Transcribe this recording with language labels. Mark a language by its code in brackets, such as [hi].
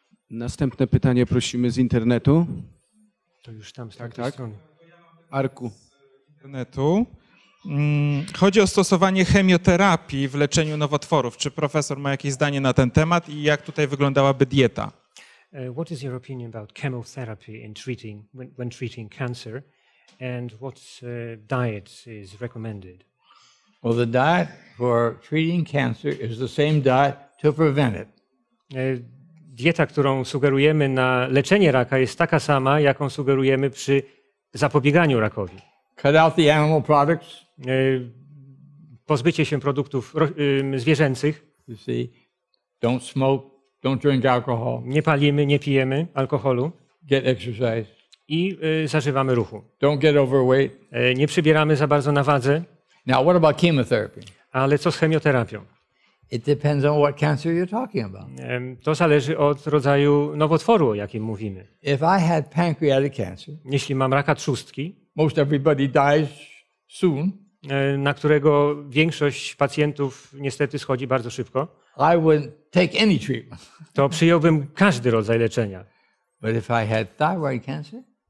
[pl] Następne pytanie prosimy z internetu. To już tam z tej strony. Arku. Z internetu. Chodzi o stosowanie chemioterapii w leczeniu nowotworów. Czy profesor ma jakieś zdanie na ten temat i jak tutaj wyglądałaby dieta? [en] What is your opinion about chemotherapy in treating when treating cancer, and what diet is recommended? Well, the diet for treating cancer is the same diet to prevent it. [pl] Dieta, którą sugerujemy na leczenie raka, jest taka sama, jaką sugerujemy przy zapobieganiu rakowi. [en] Cut out the animal products. [pl] Pozbycie się produktów zwierzęcych. [en] You see, don't smoke. Don't drink alcohol. [pl] Nie palimy, nie pijemy alkoholu. [en] Get exercise. [pl] I zażywamy ruchu. [en] Don't get overweight. [pl] Nie przybieramy za bardzo na wadze. [en] Now, what about chemotherapy? [pl] Ale co z chemioterapią? [en] It depends on what cancer you're talking about. [pl] To zależy od rodzaju nowotworu, o jakim mówimy. [en] If I had pancreatic cancer, [pl] jeśli mam raka trzustki, [en] most everybody dies soon, [pl] na którego większość pacjentów niestety schodzi bardzo szybko, [en] I would take any treatment. [pl] To przyjąłbym każdy rodzaj leczenia. [en] But if I had thyroid cancer?